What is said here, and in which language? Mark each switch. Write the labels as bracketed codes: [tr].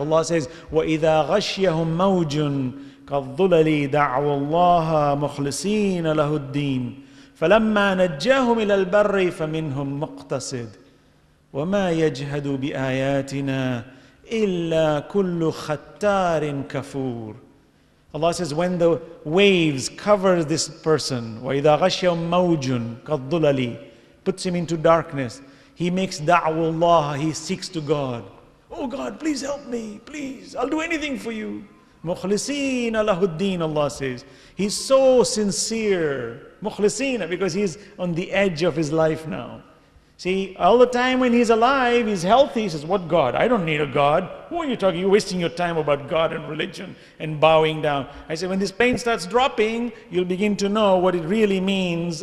[en] Allah says, [ar] وَإِذَا غَشِيَهُمْ مَوْجٌ كَالظُّلَلِ دَعْوَ اللَّهَ مُخْلِصِينَ لَهُ الدِّينَ فَلَمَّا نَجَّاهُمْ إِلَى الْبَرِّ فَمِنْهُمْ مُقْتَصِدٌ وَمَا يَجْهَدُ بِآيَاتِنَا إِلَّا كُلُّ خَتَّارٍ كَفُورٍ. [en] Allah says, when the waves cover this person, [ar] وَإِذَا غَشِيَهُمْ مَوْجٌ كَالظُّلَلِ, [en] puts him into darkness, he makes da'wa Allah, he seeks to God. Oh God, please help me, please, I'll do anything for you. [ar] مُخْلِصِينَ لَهُ الدِّينَ, [en] Allah says. He's so sincere, مُخْلِصِينَ, because he's on the edge of his life now. See, all the time when he's alive, he's healthy, he says, what God? I don't need a God. Who are you talking? You're wasting your time about God and religion and bowing down. I say, when this pain starts dropping, you'll begin to know what it really means.